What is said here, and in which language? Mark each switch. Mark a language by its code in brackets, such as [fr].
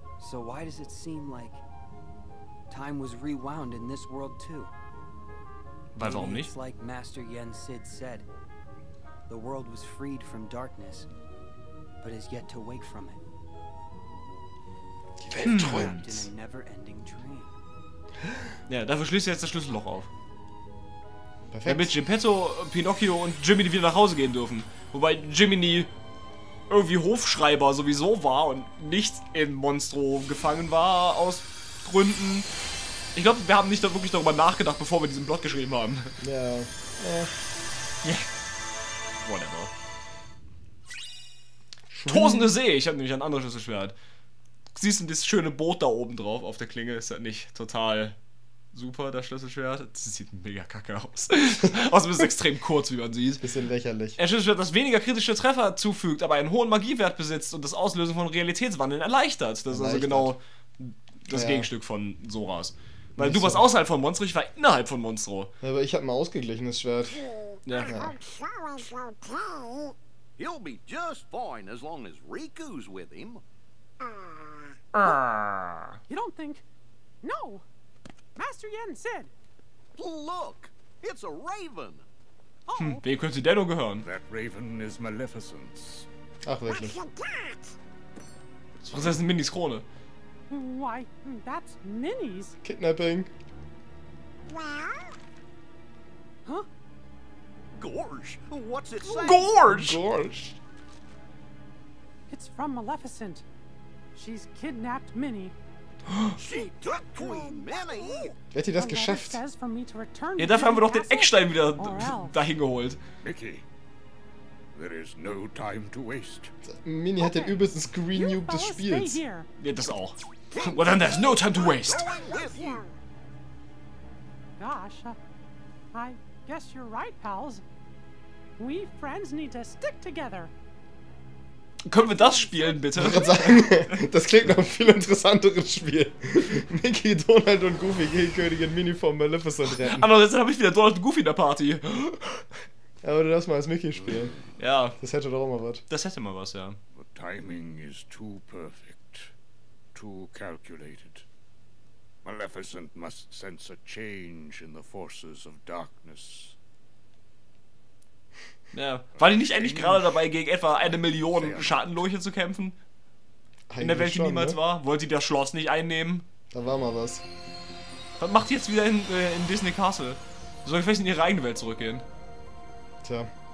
[en] So why does it seem like time was rewound in this world too? [de] Weil warum nicht? [en] It's like Master Yen Sid said, the world was freed from darkness, but is yet to wake from it. [de] Die Welt träumt. [en] In a never-ending dream. [de] Ja, dafür schließt er jetzt das Schlüsselloch auf. Perfekt. Damit Geppetto, Pinocchio und Jiminy wieder nach Hause gehen dürfen. Wobei Jiminy irgendwie Hofschreiber sowieso war und nicht in Monstro gefangen war aus Gründen. Ich glaube, wir haben nicht da wirklich darüber nachgedacht, bevor wir diesen Plot geschrieben haben. Ja. [en] Yeah. Whatever. [de] Tosende See, ich habe nämlich ein anderes Schlüsselschwert. Siehst du das schöne Boot da oben drauf auf der Klinge? Ist das nicht total super, das Schlüsselschwert? Das sieht mega kacke aus. Außerdem ist es extrem kurz, wie man sieht. Bisschen lächerlich. Ein Schlüsselschwert, das weniger kritische Treffer zufügt, aber einen hohen Magiewert besitzt und das Auslösen von Realitätswandeln erleichtert. Das ist also genau das Gegenstück von Soras. Weil du warst außerhalb von Monstro, ich war innerhalb von Monstro. Ja, aber ich hab ein ausgeglichenes Schwert. Ja. [en] He'll be just fine as long as Riku's with him. You don't think? No! Master Yen said. Look! It's a raven! Oh. [de] Hm, wem könnte der nur gehören? [en] That raven is Maleficent. [de] Ach, wirklich. Das ist ein Minis Krone. [en] Why, that's Minnie's. Kidnapping. Huh? Gorge, what's it saying? Gorge! Gorge. It's from Maleficent. She's kidnapped Minnie. She took Queen Minnie! [de] Wer hat dir das geschafft? Ja, dafür haben wir doch den Eckstein wieder dahin geholt. [en] Mickey, there is no time to waste. [de] Minnie hat den übelsten Screen Nuke des Spiels. Ja, das auch. [en] Well then, there's no time to waste. Gosh, I guess you're right, pals. We friends need to stick together. [de] Können wir das spielen, bitte? Ich würde sagen, das klingt nach einem viel interessanteres Spiel. Mickey, Donald und Goofy gegen Königin Minnie vom Maleficent rennen. Aber jetzt habe ich wieder Donald und Goofy in der Party. Ja, aber du darfst mal als Mickey spielen. Ja. Das hätte doch auch mal was. Das hätte mal was, ja. [en] The timing is too perfect. Too calculated. Maleficent must sense a change in the forces of darkness. [de] Ja. War die nicht eigentlich gerade dabei, gegen etwa 1 Million Schattenlurche zu kämpfen? Eigentlich in der Welt, die niemals war? Wollte sie das Schloss nicht einnehmen? Da war mal was. Was macht die jetzt wieder in Disney Castle? Soll ich vielleicht in ihre eigene Welt zurückgehen? Tja.